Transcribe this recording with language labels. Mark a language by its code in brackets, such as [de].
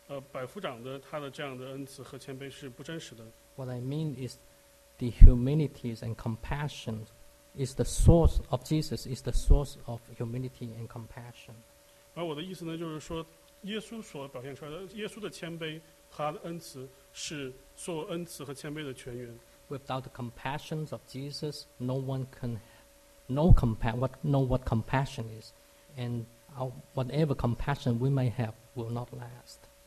[zh] 我并不是说这个百夫长的他的这样的恩慈和谦卑是不真实的。 [en] What I mean is the humility and compassion is the source of Jesus, is the source of humility and compassion. [zh] 而我的意思呢，就是说耶稣所表现出来的耶稣的谦卑和他的恩慈。 [en] Without the compassion of Jesus, no one can know what compassion is, and whatever compassion we may have will not last.